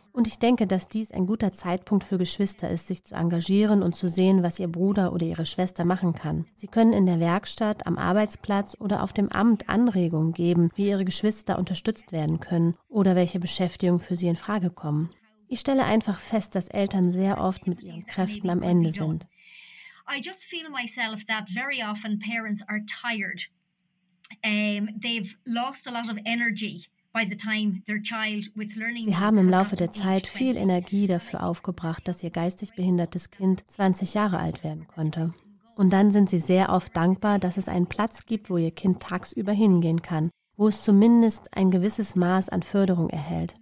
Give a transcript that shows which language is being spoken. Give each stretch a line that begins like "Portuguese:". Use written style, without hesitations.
German: Und ich denke, dass dies ein guter Zeitpunkt für Geschwister ist, sich zu engagieren und zu sehen, was ihr Bruder oder ihre Schwester machen kann. Sie können in der Werkstatt, am Arbeitsplatz oder auf dem Amt Anregungen geben, wie ihre Geschwister unterstützt werden können oder welche Beschäftigungen für sie in Frage kommen. Ich stelle einfach fest, dass Eltern sehr oft mit ihren Kräften am Ende sind.
English: I just feel myself that very often parents are tired. They've lost a lot of energy.
German: Sie haben im Laufe der Zeit viel Energie dafür aufgebracht, dass ihr geistig behindertes Kind 20 Jahre alt werden konnte. Und dann sind sie sehr oft dankbar, dass es einen Platz gibt, wo ihr Kind tagsüber hingehen kann, wo es zumindest ein gewisses Maß an Förderung erhält.